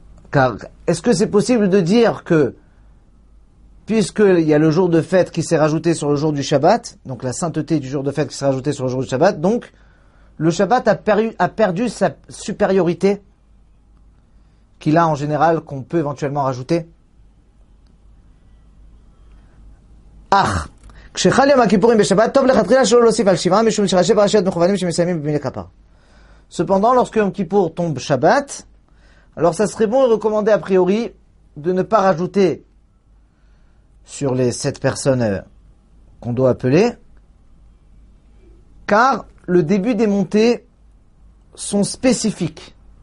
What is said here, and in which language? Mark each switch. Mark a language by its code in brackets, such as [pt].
[fr] Car est-ce que c'est possible de dire que puisqu'il y a le jour de fête qui s'est rajouté sur le jour du Shabbat, donc la sainteté du jour de fête qui s'est rajouté sur le jour du Shabbat, donc le Shabbat a perdu sa supériorité qu'il a en général, qu'on peut éventuellement rajouter. [he] Ach, כשחל יום הכיפורים בשבת, טוב לכתחילה שלא להוסיף על שבעה, משום שראשי פרשיות מכוונים שמסיימים במילי כפר. [fr] Cependant, lorsque Yom Kippour tombe Shabbat, alors ça serait bon et recommandé a priori de ne pas rajouter sur les sept personnes qu'on doit appeler, car le début des montées sont spécifiques.